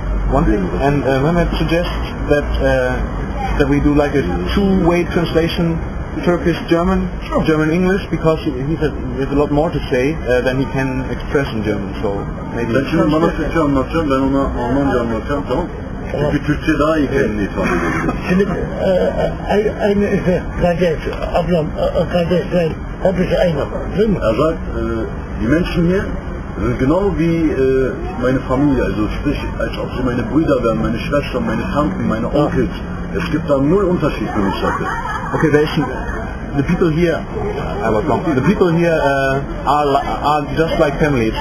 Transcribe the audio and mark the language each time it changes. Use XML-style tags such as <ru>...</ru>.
<en>One thing, and Mehmet suggests that we do like a two-way translation, Turkish-German, German-English, because he said there's a lot more to say than he can express in German, so maybe...</en> <tr>Ben şimdi bana Türkçe anlatacağım, ben ona Almanca anlatacağım, tamam? Çünkü Türkçe daha iyi kendini ifade ediyor. Şimdi, aynı ise, kardeş, ablam, kardeşler, hepsi aynı, değil mi?</tr> <de>Erzak, die Menschen hier, genau wie meine Familie, also sprich, als ob sie meine Brüder wären, meine Schwestern, meine Tanten, meine Onkels. Es gibt da null Unterschied, wenn ich sage.</de> <en>Okay, the people here are just like family.</en>